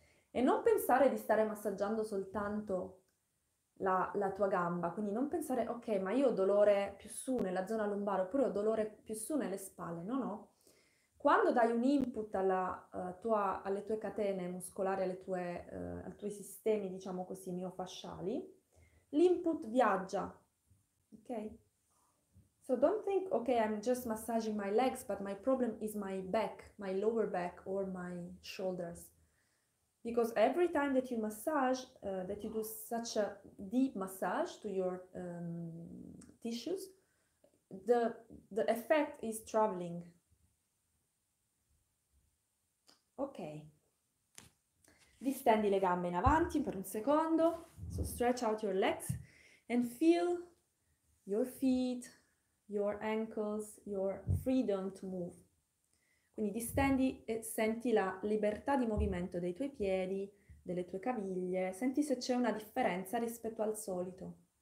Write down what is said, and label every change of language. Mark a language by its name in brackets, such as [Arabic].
[Italian] E non pensare di stare massaggiando soltanto la tua gamba, quindi non pensare, ok, ma io ho dolore più su nella zona lombare, oppure ho dolore più su nelle spalle. No, no. Quando dai un input alle tue catene muscolari, ai tuoi sistemi, diciamo così, miofasciali, l'input viaggia. Ok? [English] So don't think, okay, I'm just massaging my legs, but my problem is my back, my lower back or my shoulders. Because every time that you massage, that you do such a deep massage to your tissues, the effect is traveling. Ok. [Italian] Distendi le gambe in avanti per un secondo. [English] So stretch out your legs and feel your feet. Your ankles, your freedom to move. [Italian] Quindi distendi e senti la libertà di movimento dei tuoi piedi, delle tue caviglie. Senti se c'è una differenza rispetto al solito.